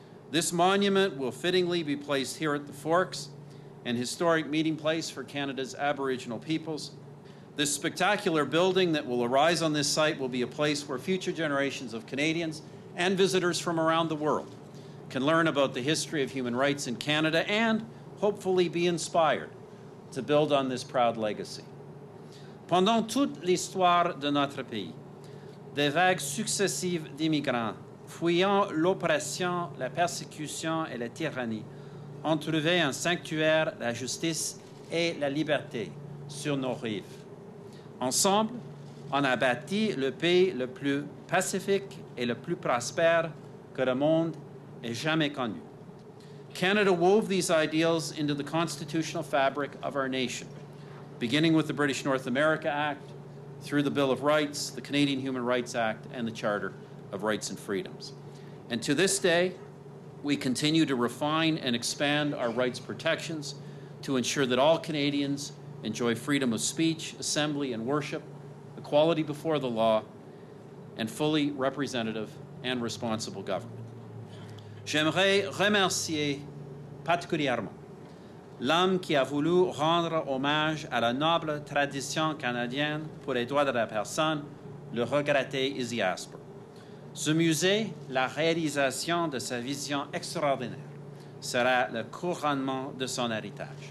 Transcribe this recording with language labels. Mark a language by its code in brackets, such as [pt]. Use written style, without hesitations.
[en] This monument will fittingly be placed here at the Forks, an historic meeting place for Canada's Aboriginal peoples. This spectacular building that will arise on this site will be a place where future generations of Canadians and visitors from around the world can learn about the history of human rights in Canada and hopefully be inspired to build on this proud legacy. [fr] Pendant toute l'histoire de notre pays, des vagues successives d'immigrants fuyant l'oppression, la persécution et la tyrannie ont trouvé un sanctuaire, la justice et la liberté sur nos rives. Ensemble, on a bâti le pays le plus pacifique et le plus prospère que le monde ait jamais connu. [en] Canada wove these ideals into the constitutional fabric of our nation, beginning with the British North America Act, through the Bill of Rights, the Canadian Human Rights Act, and the Charter of Rights and Freedoms. And to this day, we continue to refine and expand our rights protections to ensure that all Canadians enjoy freedom of speech, assembly, and worship, equality before the law, and fully representative and responsible government. [fr] J'aimerais remercier particulièrement l'homme qui a voulu rendre hommage à la noble tradition canadienne pour les droits de la personne, le regretté Izzy Asper. Ce musée, la réalisation de sa vision extraordinaire, sera le couronnement de son héritage.